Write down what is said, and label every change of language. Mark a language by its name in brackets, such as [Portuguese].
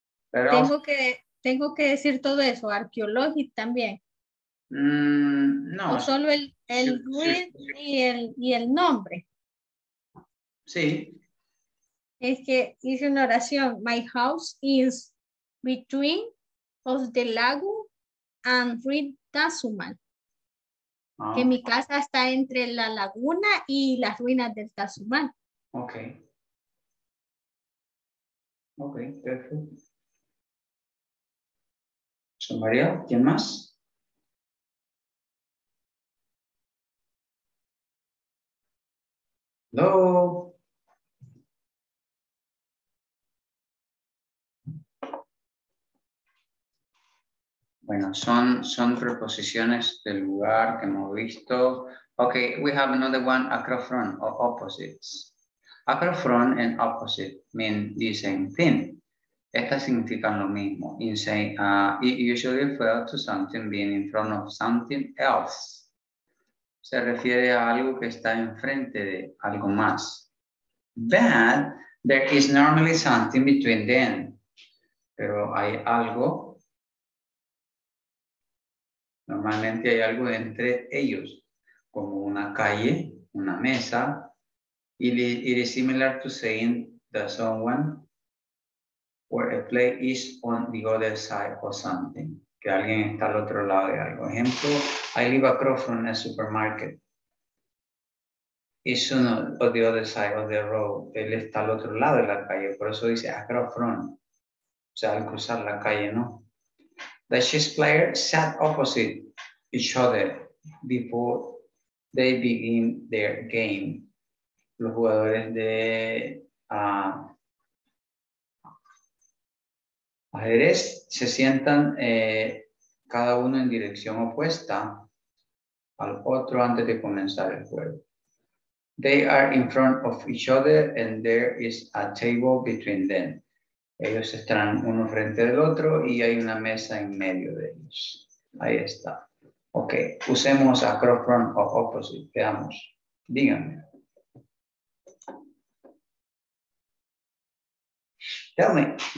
[Spanish] Pero tengo que decir todo eso, arqueológico también. No. O solo el ruin, sí, sí, y el nombre. Sí. Es que hice una oración. [English] My house is between of the lago and Ruin Tazuman. Oh. [Spanish] Que mi casa está entre la laguna y las ruinas del Tazuman. [English] Okay. Okay, perfect. [Spanish] So Maria, ¿quién más? [English] Hello. [Spanish] Bueno, son preposiciones del lugar que hemos visto. [English] Okay, we have another one, across from, or opposites. Across from and opposite mean the same thing. [Spanish] Estas significan lo mismo. [English] In say, usually refer to something being in front of something else. [Spanish] Se refiere a algo que está enfrente de algo más. [English] But there is normally something between them. [Spanish] Pero hay algo. Normalmente hay algo entre ellos, como una calle, una mesa. [English] It is similar to saying that someone or a place is on the other side or something. [Spanish] Que alguien está al otro lado de algo. [English] Ejemplo, I live across from a supermarket. It's on the other side of the road. [Spanish] Él está al otro lado de la calle. Por eso dice across from. O sea, al cruzar la calle, ¿no? [English] The chess player sat opposite each other before They begin their game. [Spanish] Los jugadores de ajedrez se sientan cada uno en dirección opuesta al otro antes de comenzar el juego. [English] They are in front of each other and there is a table between them. [Spanish] Ellos están uno frente del otro y hay una mesa en medio de ellos. Ahí está. Ok, usemos across from o opposite. Veamos. Díganme. [English] Tell me.